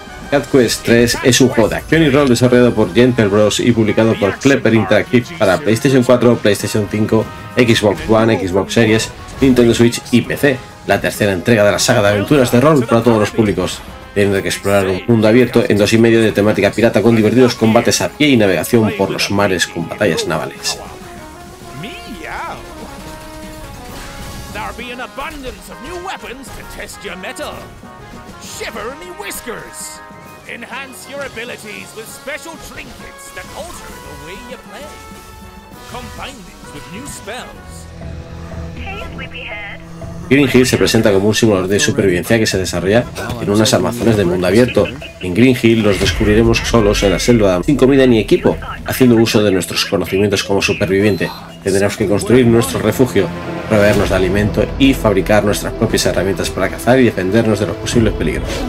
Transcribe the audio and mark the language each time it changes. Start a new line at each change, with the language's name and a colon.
Spanish: CatQuest 3 es un juego de acción y rol desarrollado por Gentle Bros y publicado por Clapper Interactive para PlayStation 4, PlayStation 5, Xbox One, Xbox Series, Nintendo Switch y PC. La tercera entrega de la saga de aventuras de rol para todos los públicos, teniendo que explorar un mundo abierto en 2.5D de temática pirata con divertidos combates a pie y navegación por los mares con batallas navales.
English: There'll be an abundance of new weapons to test your metal. Shiver me whiskers! Enhance your abilities with special trinkets that alter the way you play. Combine these with new spells.
Spanish: Green Hill se presenta como un simulador de supervivencia que se desarrolla en unas armazones de mundo abierto. En Green Hill los descubriremos solos en la selva, sin comida ni equipo, haciendo uso de nuestros conocimientos como superviviente. Tendremos que construir nuestro refugio, proveernos de alimento y fabricar nuestras propias herramientas para cazar y defendernos de los posibles peligros.